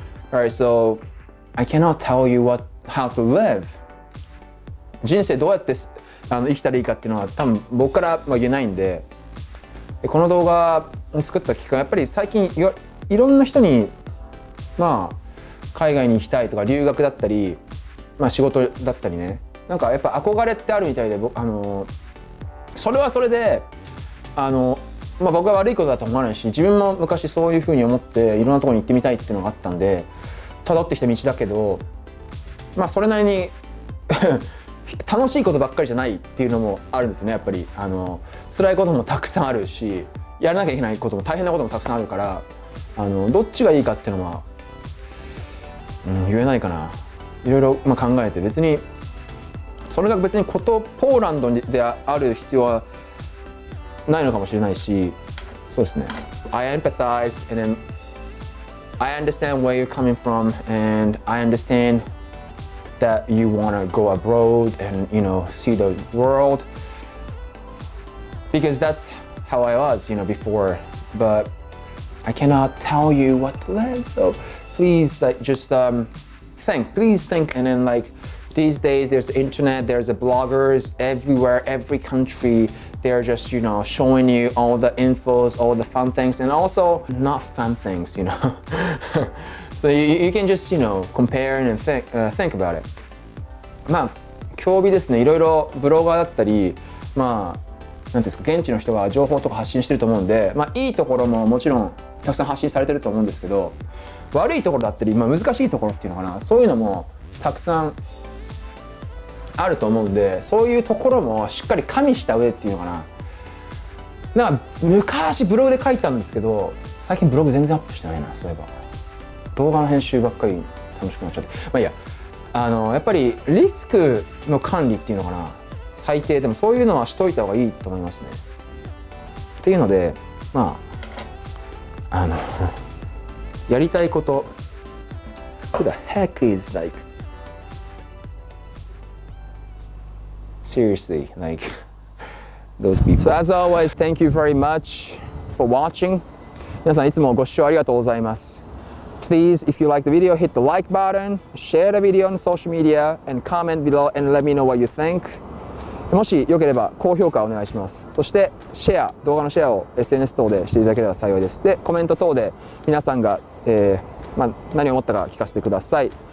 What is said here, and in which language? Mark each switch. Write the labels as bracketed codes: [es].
[en] Alright, so I cannot tell you how to live. [ja] 人生どうやって生きたらいいかっていうのは多分僕からは言えないんで、この動画を作った期間、やっぱり最近いろんな人に、まあ海外に行きたいとか留学だったり、まあ仕事だったりね、なんかやっぱ憧れってあるみたいで、それはそれで、まあ僕は悪いことだと思わないし、自分も昔そういうふうに思っていろんなところに行ってみたいっていうのがあったんで、辿ってきた道だけど、まあそれなりに楽しいことばっかりじゃないっていうのもあるんですね。やっぱり辛いこともたくさんあるし、やらなきゃいけないことも大変なこともたくさんあるから、どっちがいいかっていうのは、言えないかな。いろいろ、まあ、考えて、別にそれが別にことポーランドである必要はないのかもしれないし、そうですね。 [en] I empathize and then I understand where you're coming from and I understandthat you want to go abroad and, you know, see the world. Because that's how I was, you know, before. But I cannot tell you what to live. So please, like, just think. Please think. And then, like, these days, there's the internet, there's the bloggers everywhere, every country. They're just, you know, showing you all the infos, all the fun things, and also not fun things, you know. So you can just, you know, compare and think about it. [ja] まあ、興味ですね、いろいろブロガーだったり、まあ、なんていうんですか、現地の人が情報とか発信してると思うんで、まあ、いいところももちろんたくさん発信されてると思うんですけど、悪いところだったり、まあ、難しいところっていうのかな、そういうのもたくさんあると思うんで、そういうところもしっかり加味した上っていうのかな。なんか昔ブログで書いたんですけど、最近ブログ全然アップしてないな、そういえば。動画の編集ばっかり楽しくなっちゃって、まあいいや。やっぱりリスクの管理っていうのかな、最低でもそういうのはしといた方がいいと思いますね。っていうので、まあやりたいこと、 [en] Who the heck is like seriously, like those people. So as always, thank you very much for watching. [ja] 皆さんいつもご視聴ありがとうございます。 [en] Please, if you like the video, hit the like button, share the video on social media, and comment below and let me know what you think. [ja] もしよければ高評価お願いします。そしてシェア、動画のシェアを SNS 等でしていただけたら幸いです。で、コメント等で皆さんが、何を思ったか聞かせてください。